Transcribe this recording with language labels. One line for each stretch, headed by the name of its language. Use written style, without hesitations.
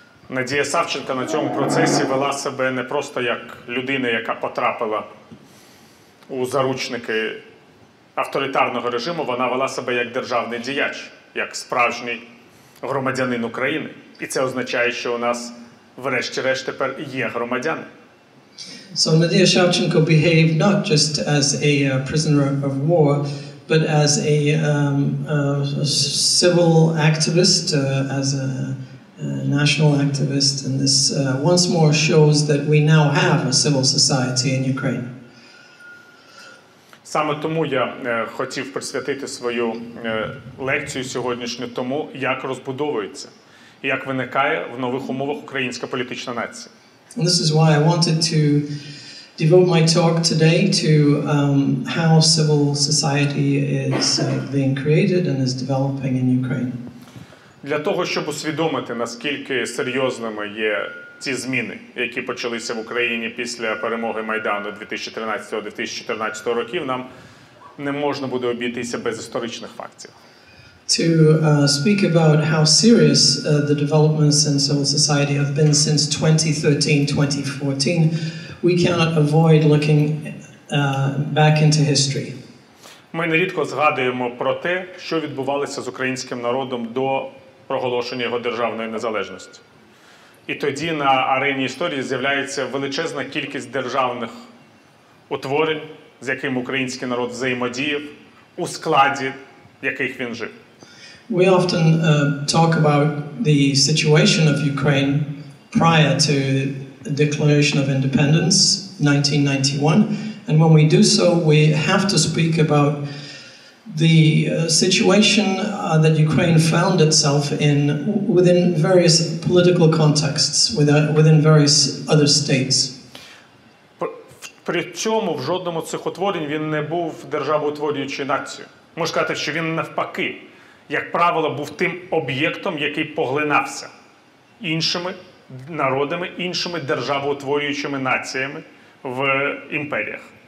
Ukrainian: Надія Савченко на цьому процесі вела себе не просто як людина, яка потрапила у заручники авторитарного режиму, вона вела себе як державний діяч, як справжній громадянин України. І це означає, що у нас врешті-решт тепер є громадяни.
English: So Надія Савченко behaved not just as a prisoner of war, but as a civil activist, as a national activist, and this once more shows that we now have a civil society in Ukraine.
Ukrainian: Саме тому я хотів присвятити свою лекцію сьогоднішню тому, як розбудовується, як виникає в нових умовах українська політична нація.
English: And this is why I wanted to devote my talk today to how civil society is being created and is developing in Ukraine.
Ukrainian: Для того, щоб усвідомити, наскільки серйозними є ці зміни, які почалися в Україні після перемоги Майдану 2013-2014 років, нам не можна буде обійтися без історичних фактів.
English: To speak about how serious the developments in civil society have been since 2013-2014, we cannot avoid looking back into history.
Ukrainian: Ми нерідко згадуємо про те, що відбувалося з українським народом до проголошення його державної незалежності. І тоді на арені історії з'являється величезна кількість державних утворень, з якими український народ взаємодіяв, у складі яких він жив.
English: We often talk about the situation of Ukraine prior to the declaration of independence, 1991. And when we do so, we have to speak about the situation that Ukraine found itself in within various political contexts, within various other states.
Ukrainian: При цьому в жодному цих утворень він не був державоутворюючою нацією. Можна сказати, що він навпаки, як правило, був тим об'єктом, який поглинався іншими народами, іншими державоутворюючими націями в імперіях.